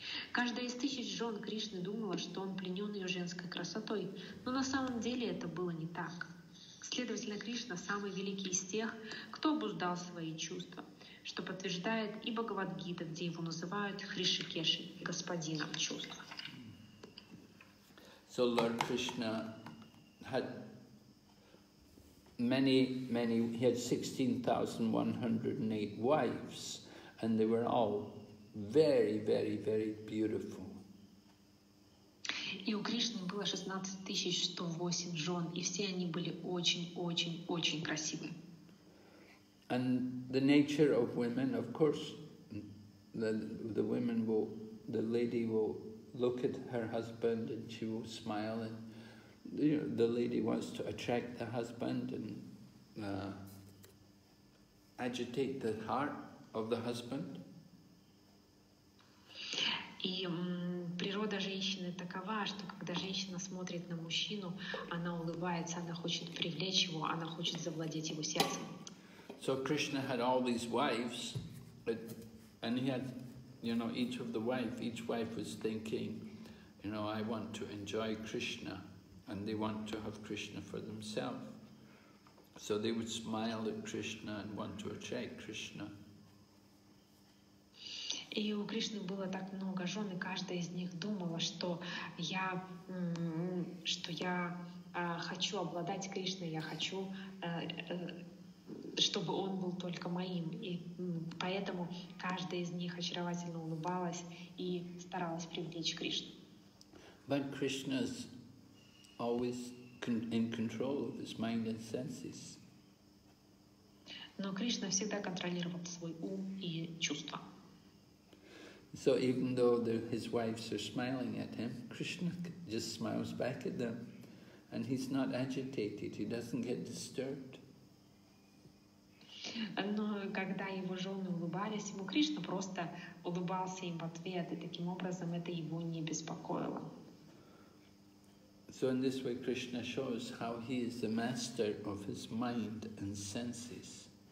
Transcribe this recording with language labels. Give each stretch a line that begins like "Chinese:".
Russian: Каждая из тысяч жен Кришны думала, что он пленен ее женской красотой, но на самом деле это было не так. Следовательно, Кришна – самый великий из тех, кто обуздал свои чувства, что подтверждает и Бхагавад-гита, где его называют Хришикеши, господином чувства.
English: So Lord Krishna had many, many, he had 16,108 wives, and they were all very, very, very beautiful.
Russian: И у Кришны было 16,108 жен, и все они были очень-очень-очень красивы.
English: And the nature of women, of course, the women will, the lady will look at her husband and she will smile, and you know, the lady wants to attract the husband and agitate the heart of the husband.
Russian: И природа женщины такова, что когда женщина смотрит на мужчину, она улыбается, она хочет привлечь его, она хочет завладеть его сердцем.
English: So Krishna had all these wives, and he had, you know, each wife was thinking, you know, I want to enjoy Krishna, and they want to have Krishna for themselves. So they would smile at Krishna and want to attract Krishna.
Russian: И у Кришны было так много жен, и каждая из них думала, что я хочу обладать Кришной, я хочу, чтобы он был только моим. И поэтому каждая из них очаровательно улыбалась и старалась привлечь Кришну.
English: But Krishna is always in control of his mind and senses.
Russian: Но Кришна всегда контролировал свой ум и чувства.
English: So even though his wives are smiling at him, Krishna just smiles back at them, and he's not agitated. He doesn't get disturbed.
Russian: Но когда его жены улыбались ему, Кришна просто улыбался им в ответ, и таким образом это его не беспокоило.
English: So in this way, Krishna shows how he is the master of his mind and senses.